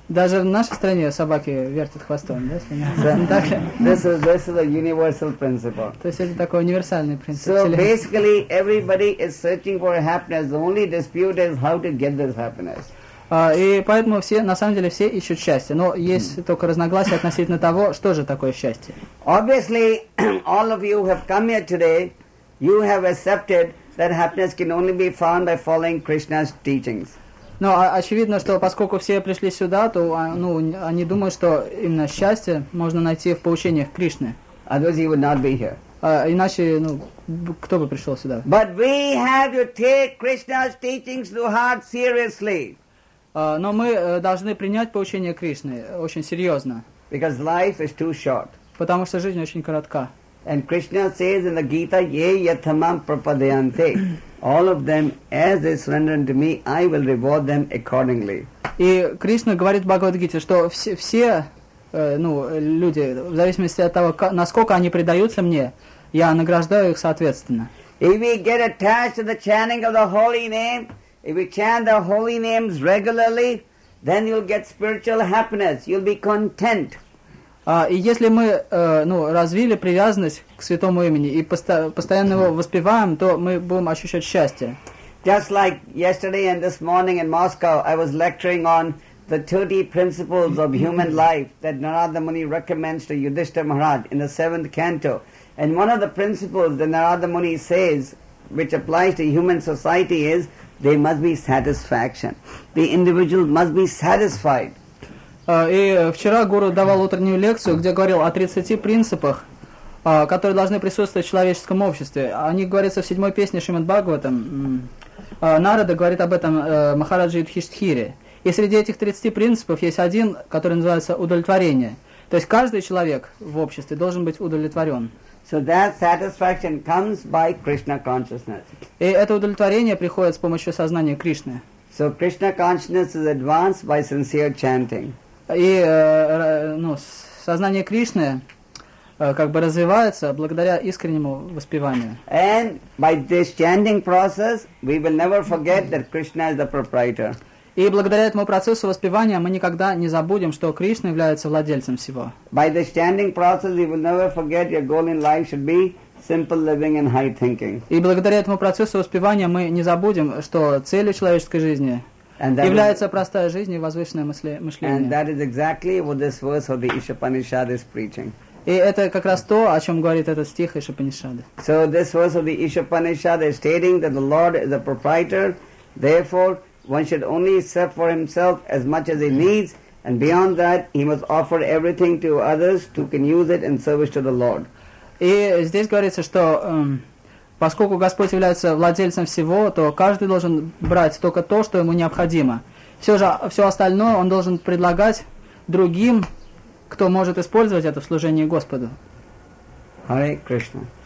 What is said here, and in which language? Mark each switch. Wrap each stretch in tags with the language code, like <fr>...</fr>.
<ru>Даже в нашей стране собаки вертят хвостом, да?</ru> <en>This is a universal principle.</en> <ru>То есть это такой универсальный принцип.</ru> <en>So basically everybody is searching for happiness. The only dispute is how to get this happiness.</en> <ru>И поэтому все, на самом деле, все ищут счастье. Но есть только разногласия относительно того, что же такое счастье.</ru> <en>Obviously, all of you have come here today, you have accepted that happiness can only be found by following Krishna's teachings.</en> <ru>Но очевидно, что поскольку все пришли сюда, то ну, они думают, что именно счастье можно найти в поучениях Кришны.</ru> <en>Otherwise, you would not be here.</en> <ru>Иначе, ну, кто бы пришел сюда?</ru> <en>But we have to take Krishna's teachings to heart seriously.</en> <ru>Но мы должны принять поучение Кришны очень серьезно.</ru> <en>Because life is too short.</en> <ru>Потому что жизнь очень коротка.</ru> <en>And Krishna says in the Gita,</en> <sa>ye yathamam prapadayante.</sa> <en>All of them, as they surrender unto me, I will reward them accordingly.</en> <ru>И Кришна говорит в Бхагавад-гите, что все ну, люди, в зависимости от того, насколько они предаются мне, я награждаю их соответственно.</ru> <en>If we get attached to the chanting of the holy name, if we chant the holy names regularly, then you'll get spiritual happiness. You'll be content.</en> <ru>И если мы, ну, развили привязанность к святому имени и постоянно его воспеваем, то мы будем ощущать счастье.</ru> <en>Just like yesterday and this morning in Moscow, I was lecturing on the 30 principles of human life that Narada Muni recommends to Yudhishthira Maharaj in the 7th canto. And one of the principles that Narada Muni says, which applies to human society, is there must be satisfaction. The individual must be satisfied.</en> <ru>И вчера Гуру давал утреннюю лекцию, где говорил о 30 принципах, которые должны присутствовать в человеческом обществе. О них говорится в 7-й песне Шримад-Бхагаватам. Нарада говорит об этом Махараджи Юдхиштхире. И среди этих 30 принципов есть один, который называется удовлетворение. То есть каждый человек в обществе должен быть удовлетворен.</ru> <en>So that satisfaction comes by Krishna consciousness.</en> <ru>И это удовлетворение приходит с помощью сознания Кришны.</ru> <en>So Krishna consciousness is advanced by sincere chanting.</en> <ru>И ну, сознание Кришны как бы развивается благодаря искреннему воспеванию.</ru> <en>And by this chanting process, we will never forget that Krishna is the proprietor.</en> <ru>И благодаря этому процессу воспевания мы никогда не забудем, что Кришна является владельцем всего.</ru> <en>By the standing process, you will never forget your goal in life should be simple living and high thinking.</en> <ru>И благодаря этому процессу воспевания мы не забудем, что целью человеческой жизни является простая жизнь и возвышенное мышление.</ru> <en>And that is exactly what this verse of the Ishapanishad is preaching.</en> <ru>И это как раз то, о чем говорит этот стих Ишапанишады.</ru> <en>So this verse of the Ishapanishad is stating that the Lord is the proprietor, therefore one should only accept for himself as much as he needs, and beyond that, he must offer everything to others who can use it in service to the Lord.</en> <ru>И здесь говорится, что поскольку Господь является владельцем всего, то каждый должен брать только то, что ему необходимо. Все остальное он должен предлагать другим кто может использовать это в служении Господу.</ru> <en>Hare Krishna.</en>